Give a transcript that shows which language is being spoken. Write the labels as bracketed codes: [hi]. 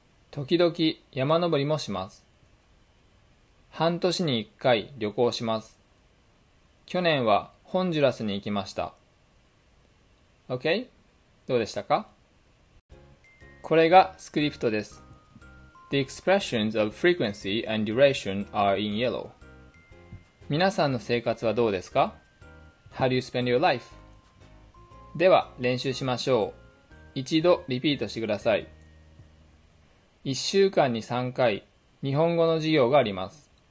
[ja] 時々山登りもします。半年に1回旅行します。去年はホンジュラスに行きました。 OK? どうでしたか？これがスクリプトです。 [en] The expressions of frequency and duration are in yellow. [ja] 皆さんの生活はどうですか？ [en] How do you spend your life? [ja] では練習しましょう。一度リピートしてください。 1週間に3回日本語の授業があります。